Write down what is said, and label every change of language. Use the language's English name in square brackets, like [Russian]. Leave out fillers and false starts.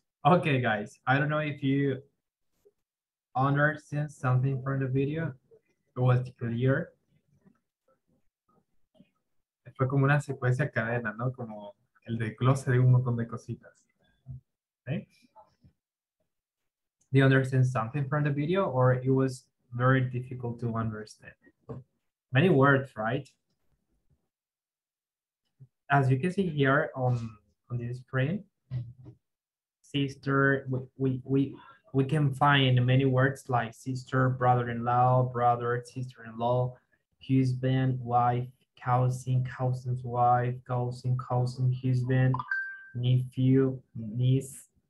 [English] Okay, guys, I don't know if you understand something from the video. It was clear. [Spanish] Fue como una secuencia cadena, ¿no? Como el desglose de un montón de cositas. Okay. [English] they understand something from the video, or it was very difficult to understand? Many words, right? As you can see here on this screen, sister, we can find many words like sister, brother-in-law, brother, sister-in-law, husband, wife, cousin, cousin's wife, cousin, cousin, husband, nephew, niece,